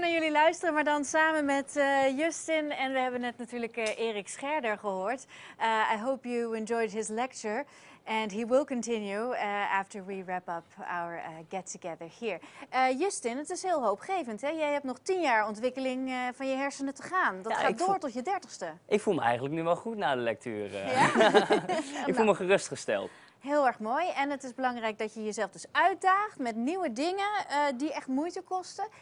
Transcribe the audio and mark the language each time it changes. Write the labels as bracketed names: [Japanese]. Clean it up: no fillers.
[Dutch] Luisteren, maar dan samen met Justin en we hebben net natuurlijk Erik Scherder gehoord. [English] I hope you enjoyed his lecture and he will continue after we wrap up our get together here. [Dutch] Justin, het is heel hoopgevend. Hè? Jij hebt nog 10 jaar ontwikkeling van je hersenen te gaan. Dat gaat door tot je 30ste. Ik voel me eigenlijk nu wel goed na de lectuur. Ja? Ik voel me gerustgesteld. Heel erg mooi. En het is belangrijk dat je jezelf dus uitdaagt met nieuwe dingen die echt moeite kosten.